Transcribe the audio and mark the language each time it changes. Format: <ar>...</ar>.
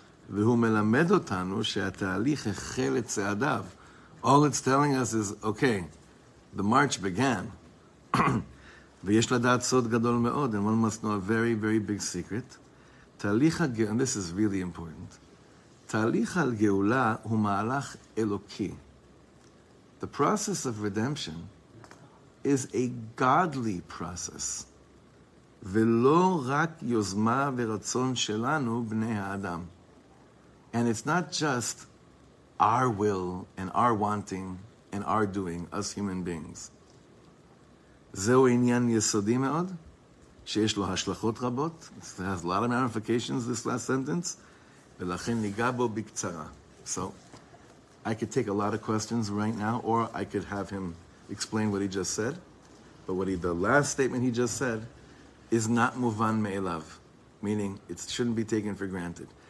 <he>והוא מלמד אותנו שהתהליך החל את צעדיו.</he> <en>All it's telling us is, okay, the march began.</en> <he>ויש לדעת סוד גדול מאוד,</he> <en>and one must know a very, very big secret.</en> <he>תהליך הגאולה,</he> <en>and this is really important,</en> <he>תהליך הגאולה הוא מהלך אלוקי.</he> <en>The process of redemption is a godly process,</en> <he>ולא רק יוזמה ורצון שלנו בני האדם.</he> <en>And it's not just our will and our wanting and our doing, us human beings.</en> <he>זהו עניין יסודי מאוד, שיש לו השלכות רבות.</he> <en>It has a lot of ramifications, this last sentence.</en> <he>ולכן ניגע בו בקצרה.</he> <en>So, I could take a lot of questions right now, or I could have him explain what he just said. But the last statement he just said is not</en> <he>מובן מאליו,</he> <en>meaning it shouldn't be taken for granted.</en>